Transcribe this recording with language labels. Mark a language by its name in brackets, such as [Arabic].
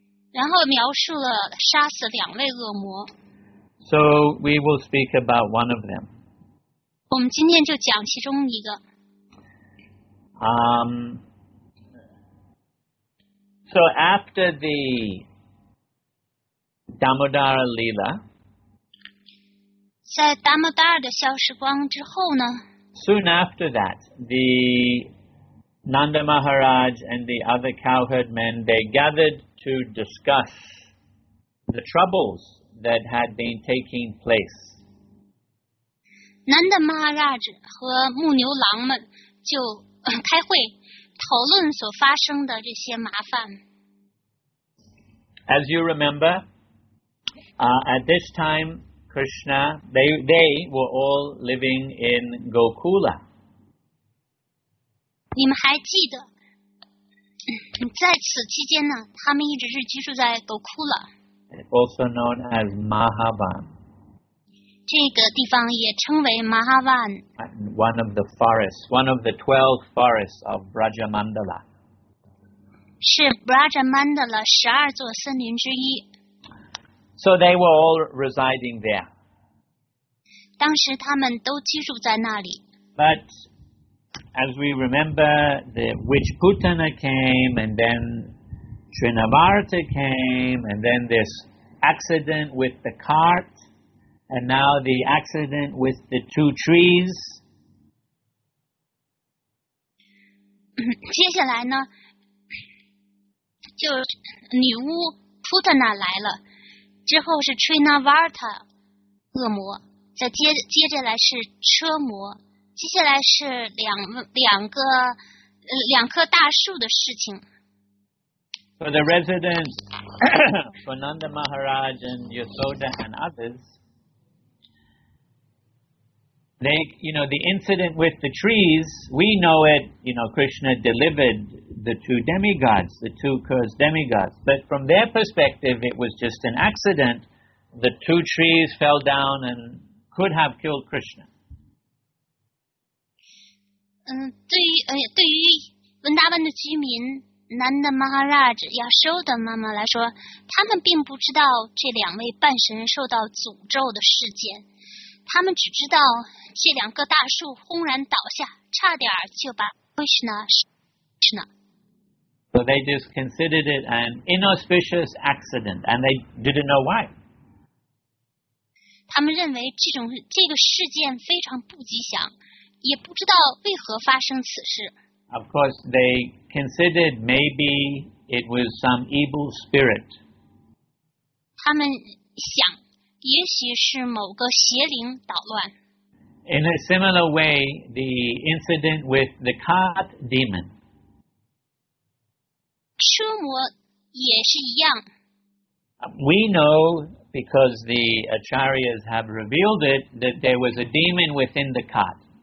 [Chinese] 然后描述了杀死两位恶魔。 [English] So we will speak about one of them. [Chinese] 我们今天就讲其中一个。 [English] So after the Damodara Leela, [Chinese] 在 Damodara 的消失光之后呢？ [English] Soon after that, the Nanda Maharaj and the other cowherd men, they gathered to discuss the troubles that had been taking place. [Chinese] Nanda Maharaj 和牧牛郎们就开会讨论所发生的这些麻烦。 [English] As you remember, at this time, Krishna, they were all living in Gokula. [Chinese] 你们还记得在此期间呢他们一直是居住在狗窟了 [English] also known as Mahavan [Chinese] 这个地方也称为 Mahavan [English] one of the forests one of the 12 forests of Brajamandala [Chinese] 是 Brajamandala 十二座森林之一 [English] so they were all residing there [Chinese] 当时他们都居住在那里 [English] butAs we remember, the Vishputana came, and then Srinivarta came, and then this accident with the cart, and now the accident with the two trees. [Chinese] 接下来呢，就女巫 Putana 来了，之后是 Srinivarta 恶魔，再接着来是车魔。接下来是两棵大树的事情。 [English] For the residents, for Nanda Maharaj and Yasoda and others, the incident with the trees, we know it, you know, Krishna delivered the two demigods, the two cursed demigods. But from their perspective, it was just an accident. The two trees fell down and could have killed Krishna. [Chinese] 对于文达班的居民南的 Maharaj 亚修的妈妈来说他们并不知道这两位半神受到诅咒的事件他们只知道这两个大树轰然倒下差点就把 Krishna 死了 [English] So they just considered it an inauspicious accident and they didn't know why [Chinese] 他们认为这个事件非常不吉祥也不知道为何发生此事。 [English] Of course, they considered maybe it was some evil spirit. [Chinese] 他们想，也许是某个邪灵捣乱。 [English] In a similar way, the incident with the cart demon. [Chinese] 车魔也是一样。 [English] We know, because the Acharyas have revealed it, that there was a demon within the cart.